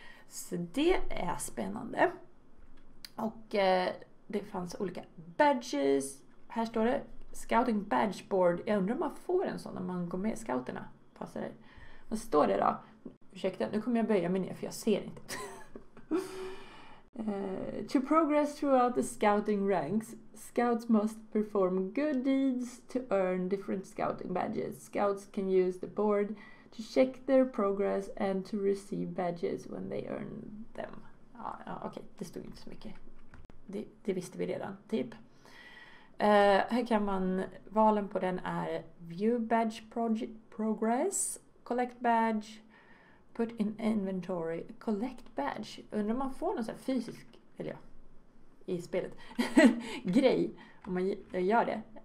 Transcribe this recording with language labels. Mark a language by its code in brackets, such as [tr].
[sv] Så det är spännande. Och det fanns olika badges. Här står det Scouting Badge Board. Jag undrar om man får en sån när man går med scouterna. Passar det? Vad står det då? Ursäkta, nu kommer jag böja mig ner för jag ser inte. [en] To progress throughout the scouting ranks, scouts must perform good deeds to earn different scouting badges. Scouts can use the board to check their progress and to receive badges when they earn them. [sv] Ja, okej, okay. Det stod inte så mycket. Det visste vi redan, typ. Här kan man, valen på den är View Badge Progress, Collect Badge, Put in Inventory, Collect Badge. Undrar om man får någon sån här fysisk, eller ja, i spelet, grej om man gör det.